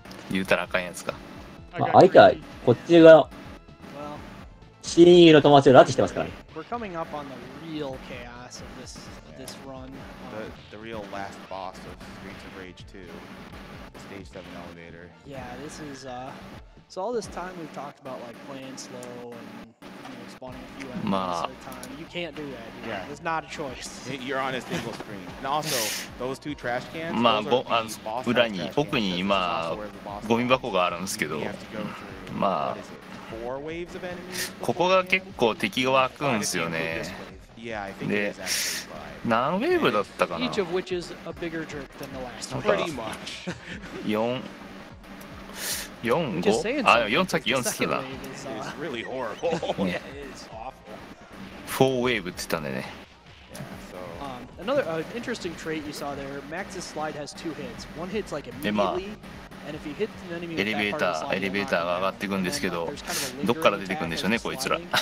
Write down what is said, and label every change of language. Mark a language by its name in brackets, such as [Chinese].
[Japanese] 言うたらあかんやつか。まあ、相手はこっちが親友の友達を拉致してますからね。 [English] We're coming up on the real chaos of this run. The real last boss of Streets of Rage 2, Stage 7 elevator. Yeah, this is so all this time we've talked about like playing slow and spawning a few enemies at a time. You can't do that. Yeah, it's not a choice. You're on a single screen. And also those two trash cans. [Japanese] まあ、ボあの裏に奥に今ゴミ箱があるんですけど、まあ。ここが結構敵が湧くんですよね。で、何ウェーブだったかな。 4、5。あ、4、さっき4つってた。 4ウェーブって言ったんでね。 [English] Another interesting trait you saw there, Max's slide has two hits. One hits like immediately. [Japanese] エレベーターが上がっていくんですけど、どっから出てくるんでしょうね、こいつら。